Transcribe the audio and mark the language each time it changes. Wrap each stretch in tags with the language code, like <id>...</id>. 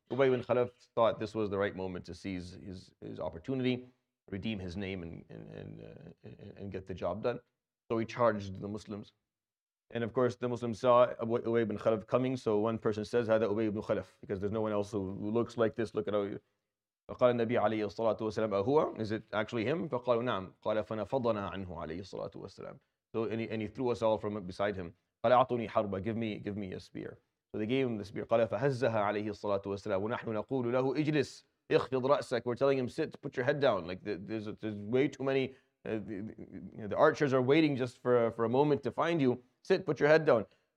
<en>Ubay ibn Khalaf thought this was the right moment to seize his opportunity, redeem his name and get the job done. So he charged the Muslims. And of course, the Muslims saw Ubay ibn Khalaf coming, so one person says, هذا Ubay ibn Khalaf, because there's no one else who looks like this. Look at how.</en> <ar>فقال النبي عليه الصلاة والسلام, أهو?</ar> <en>Is it actually him?</en> <ar>فقالوا نعم. قال فنفضنا عنه عليه الصلاة والسلام.</ar> <en>So, and he threw us all from beside him.</en> <ar>قال أعطوني حربة,</ar> <en>give me a spear. So they gave him the spear.</en> <ar>قال فهزها عليه الصلاة والسلام ونحن نقول له اجلس اخفض رأسك.</ar> <en>We're telling him, sit, put your head down. Like there's way too many, the archers are waiting just for a moment to find you. Sit, put your head down.</en>